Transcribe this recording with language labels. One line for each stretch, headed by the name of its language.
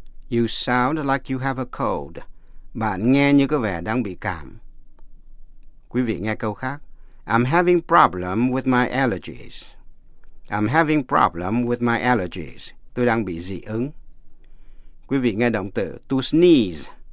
English: You sound like you have a cold.
Vietnamese: Bạn nghe như có vẻ đang bị cảm. Quý vị nghe câu khác.
English: I'm having problem with my allergies. I'm having problem with my allergies.
Vietnamese: Tôi đang bị dị ứng. Quý vị nghe động từ to sneeze.